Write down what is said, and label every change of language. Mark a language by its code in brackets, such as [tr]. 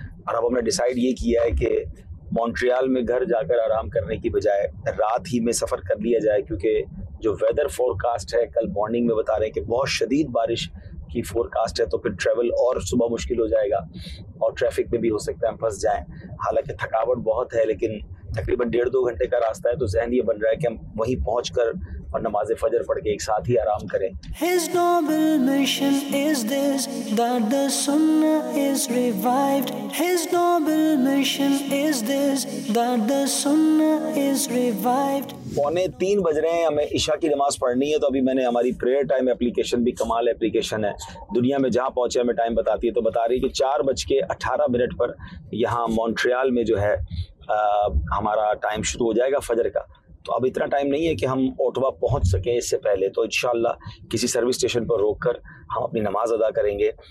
[ur] اور اب ہم نے ڈیسائیڈ یہ کیا ہے کہ مونٹریال میں گھر جا کر آرام کرنے کی بجائے رات ہی میں سفر کر لیا جائے, کیونکہ جو ویدر فورکاسٹ ہے کل مارننگ میں بتا رہے ہیں کہ بہت شدید بارش کی فورکاسٹ ہے, تو پھر ٹریول اور صبح مشکل ہو جائے گا اور ٹریفک میں بھی ہو سکتا ہے ہم پھنس جائیں. حالانکہ تھکاوٹ بہت ہے لیکن تقریباً ڈیڑھ دو گھنٹے کا راستہ ہے, تو ذہن یہ بن رہا ہے کہ ہم وہیں پہنچ کر اور نماز فجر پڑھ کے ایک ساتھ ہی آرام کریں. [en] His noble mission is this, that the sunnah is revived. His noble mission is this, that the sunnah is revived. [ur] پونے تین بج رہے ہیں, ہمیں عشاء کی نماز پڑھنی ہے. تو ابھی میں نے ہماری پریئر ٹائم اپلیکیشن بھی, کمال اپلیکیشن ہے, دنیا میں جہاں پہنچے ہمیں ٹائم بتاتی ہے, تو بتا رہی ہے کہ 4:18 پر یہاں مونٹریال میں جو ہے ہمارا ٹائم شروع ہو جائے گا فجر کا. تو اب اتنا ٹائم نہیں ہے کہ ہم اوٹوا پہنچ سکیں اس سے پہلے, تو انشاءاللہ کسی سروس اسٹیشن پر روک کر ہم اپنی نماز ادا کریں گے.